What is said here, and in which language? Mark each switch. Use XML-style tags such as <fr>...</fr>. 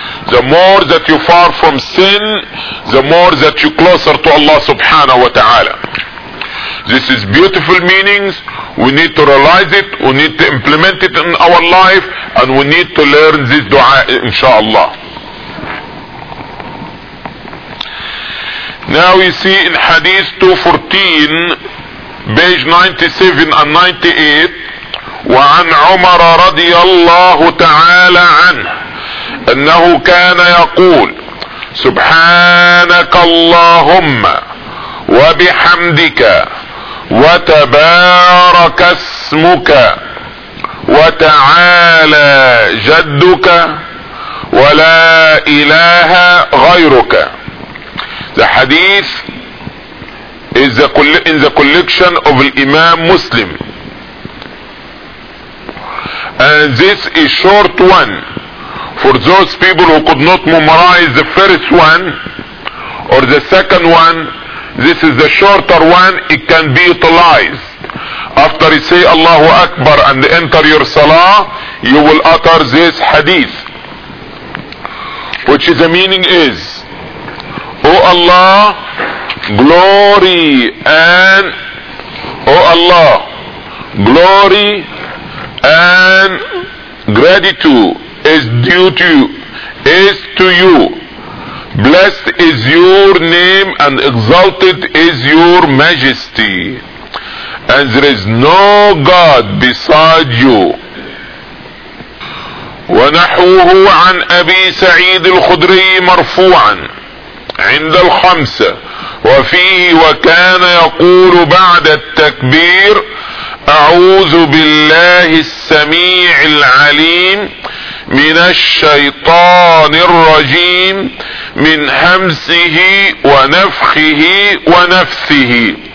<en>The more that you far from sin, the more that you closer to Allah subhanahu wa ta'ala. This is beautiful meanings. We need to realize it, we need to implement it in our life, and we need to learn this dua inshallah. Now you see in Hadith 214, page 97 and 98,</en> <ar>وعن عمر رضي الله تعالى عنه أنه كان يقول سبحانك اللهم وبحمدك وتبارك اسمك وتعالى جدك ولا إله غيرك.</ar> <en>The hadith is in the collection of Imam Muslim, and this is a short one. For those people who could not memorize the first one or the second one, this is the shorter one. It can be utilized. After you say Allahu Akbar and enter your salah, you will utter this hadith, which is the meaning is, O Allah, glory and O Allah, glory and gratitude is due to you, is to you. Blessed is your name and exalted is your majesty. And there is no God beside you.</en> <ar>ونحوه عن أبي سعيد الخدري مرفوعا عند الخمسة وفيه وكان يقول بعد التكبير أعوذ بالله السميع العليم من الشيطان الرجيم من همسه ونفخه ونفثه.</ar>